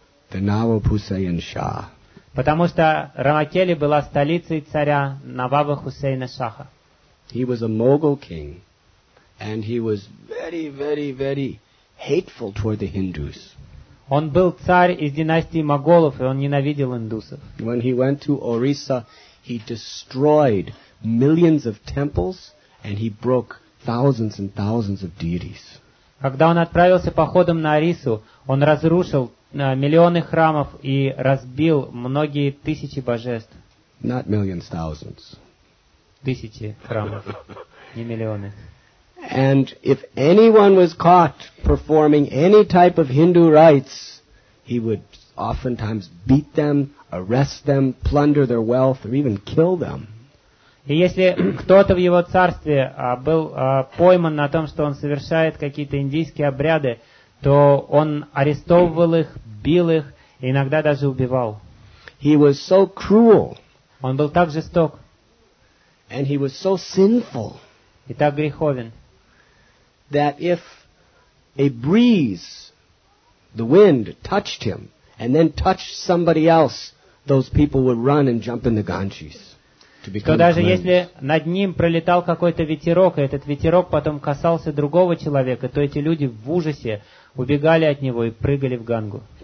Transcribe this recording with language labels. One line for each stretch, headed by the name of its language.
English: The Nawab Hussain Shah.
Russian: Потому что Рамакели была столицей царя Наваба Хусейна Шаха.
English: He was a Mughal king, and he was very, very, very hateful toward the Hindus.
Russian: Он был царь из династии Моголов, и он ненавидел индусов.
English: When he went to Orissa, he destroyed millions of temples, and he broke thousands and thousands of deities.
Russian: Когда он отправился походом на Орису, он разрушил миллионы храмов и разбил многие тысячи божеств.
English: Not millions, thousands.
Russian: Тысячи храмов, не миллионы.
English: And if anyone was caught performing any type of Hindu rites, he would oftentimes beat them, arrest them, plunder their wealth, or even kill them.
Russian: И если кто-то в его царстве был пойман на том, что он совершает какие-то индийские обряды, то он арестовывал их, бил их и иногда даже убивал.
English: He was so cruel.
Russian: Он был так жесток.
English: And he was so sinful.
Russian: И так греховен.
English: That if a breeze, the wind, touched him and then touched somebody else, those people would run and jump in the Ganges.
Russian: Что даже если над ним пролетал какой-то ветерок, и этот ветерок потом касался другого человека, то эти люди в ужасе убегали от него и прыгали в Гангу.